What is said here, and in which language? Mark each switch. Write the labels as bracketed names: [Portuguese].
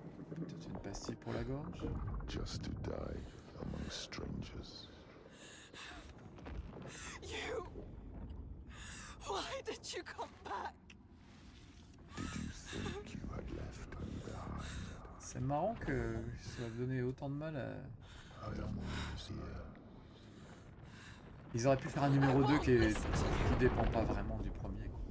[French] Peut-être une pastille pour la gorge. [English] Just to die among strangers. You. Why did you come back? Did you think you had left me behind? [French] C'est marrant que ça a donné autant de mal à. [English] I am always here. [French] Ils auraient pu faire un numéro 2 qui dépend pas vraiment du premier.